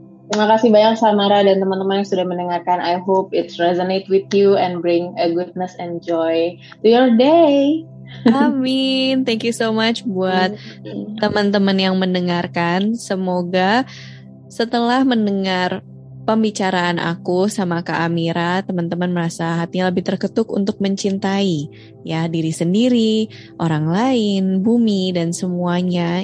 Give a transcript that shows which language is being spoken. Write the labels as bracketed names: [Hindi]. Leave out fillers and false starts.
[Indonesian] Terima kasih banyak Samara dan teman-teman yang sudah mendengarkan. [English] I hope it resonate with you and bring a goodness and joy to your day. [Indonesian] Amin. [English] Thank you so much [Indonesian] buat teman-teman yang mendengarkan. Semoga setelah mendengar pembicaraan aku sama Kak Amira, teman-teman merasa hatinya lebih terketuk untuk mencintai ya diri sendiri, orang lain, bumi, dan semuanya.